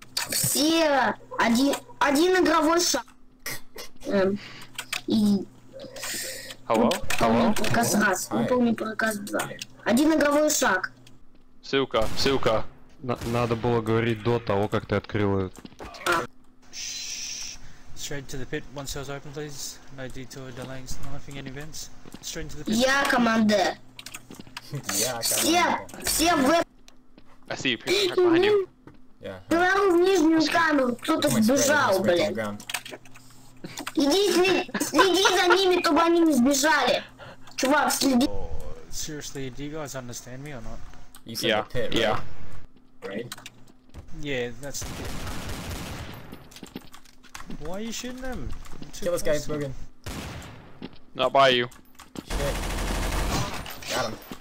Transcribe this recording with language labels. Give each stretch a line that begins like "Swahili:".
Russian: Все один игровой шаг. И выполни приказ раз, выполни приказ два. Один игровой шаг. Ссылка, ссылка. Надо было говорить до того, как ты открыл ее.
English: Straight to the pit once doors open, please. No detour, delays, nothing in events. Straight to the pit.
Russian: Я команда.
English: I see you, behind you.
Russian: Yeah. Я в нижнюю камеру. Кто-то сбежал, блин. Иди за ними, чтобы они не сбежали. Чувак, следи.
English: Seriously, do you guys understand me or not? You said the pit, right? Yeah. Right? Yeah, that's the pit. Why are you shooting them? Kill this guy, he's broken. Not by you. Shit. Got him.